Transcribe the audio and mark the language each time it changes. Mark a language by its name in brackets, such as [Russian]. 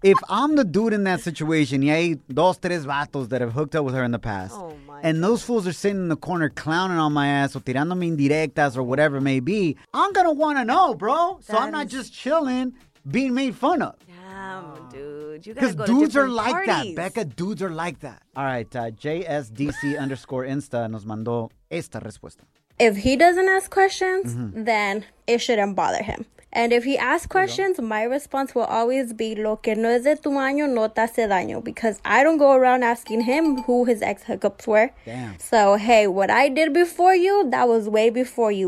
[English] If I'm the dude in that situation, yay, [Spanish] dos, tres vatos [English] that have hooked up with her in the past, and those fools are sitting in the corner clowning on my ass or [Spanish] tirándome indirectas [English] or whatever it may be, I'm going to want to know, bro. So I'm not just chilling, being made fun of. Dude, you gotta go to different parties. Because dudes are like that, Becca. Dudes are like that. All right, [Spanish] JSDC underscore Insta nos mandó esta respuesta. [English] If he doesn't ask questions, then it shouldn't bother him. And if he asks questions, my response will always be, [Spanish] lo que no es de tu año no te hace daño. [English] Because I don't go around asking him who his ex hookups were. Damn. So, hey, what I did before you, that was way before you.